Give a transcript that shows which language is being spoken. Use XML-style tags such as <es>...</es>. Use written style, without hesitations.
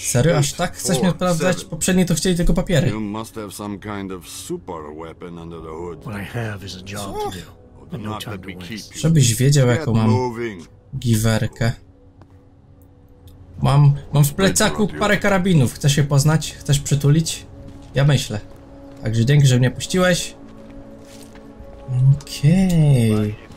<pl>Serio, aż tak chcesz mnie sprawdzać? Poprzedni to chcieli tylko papiery.</pl> <en>You must have some kind of super weapon under the hood. What I have is a job to do. And no time to waste.</en> <pl>Żebyś wiedział, jaką mam giwerkę. Mam w plecaku parę karabinów. Chcesz się poznać? Chcesz przytulić? Ja myślę. Także dzięki, że mnie puściłeś. Okej.</pl>